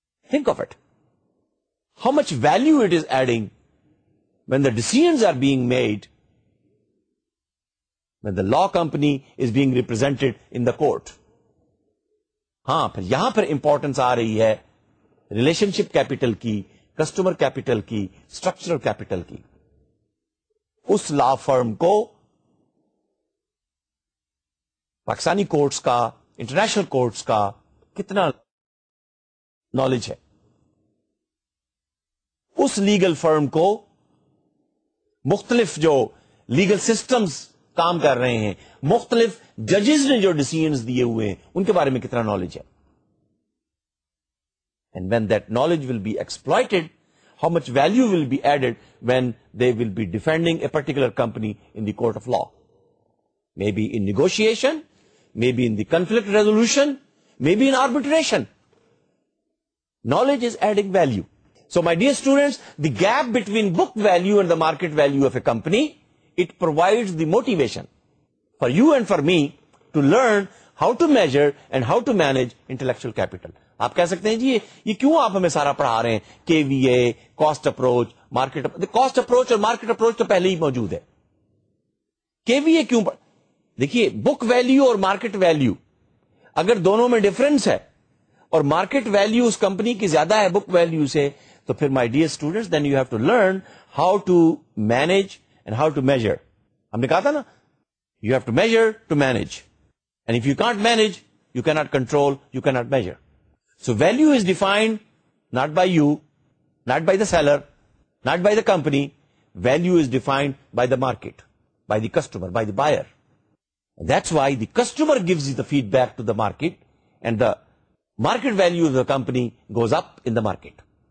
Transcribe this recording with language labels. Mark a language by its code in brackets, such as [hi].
[en] Think of it, how much value it is adding when the decisions are being made, when the law company is being represented in the court. [ur] ہاں، پھر یہاں پر importance آ رہی ہے relation شپ capital کی، customer capital کی، structural capital کی. اس لا فرم کو Pakistani courts کا، انٹرنیشنل کورٹس کا کتنا نالج ہے، اس لیگل فرم کو مختلف جو لیگل سسٹمز کام کر رہے ہیں، مختلف ججز نے جو ڈیسیژنز دیے ہوئے ہیں، ان کے بارے میں کتنا نالج ہے. [en] And when that knowledge will be exploited, how much value will be added when they will be defending a particular company in the court of law? Maybe in negotiation, maybe in the conflict resolution, maybe in arbitration. Knowledge is adding value. So my dear students, the gap between book value and the market value of a company, it provides the motivation for you and for me to learn how to measure and how to manage intellectual capital. [ur] آپ کہہ سکتے ہیں جی یہ کیوں آپ ہمیں سارا پڑھا رہے ہیں، کے وی اے، cost approach, market approach. Cost approach اور مارکیٹ اپروچ تو پہلے ہی موجود ہے، کے وی اے کیوں پڑھ. دیکھیے، بک ویلیو اور مارکیٹ ویلیو، اگر دونوں میں ڈفرنس ہے اور مارکیٹ ویلیو اس کمپنی کی زیادہ ہے بک ویلیو سے، تو پھر [en] My dear students, then you have to learn how to manage and how to measure. [ur] ہم نے کہا تھا نا، [en] You have to measure to manage, and if you can't manage you can not control, you can not measure. So value is defined not by you, not by the seller, not by the company. Value is defined by the market, by the customer, by the buyer. And that's why the customer gives you the feedback to the market, and the market value of the company goes up in the market.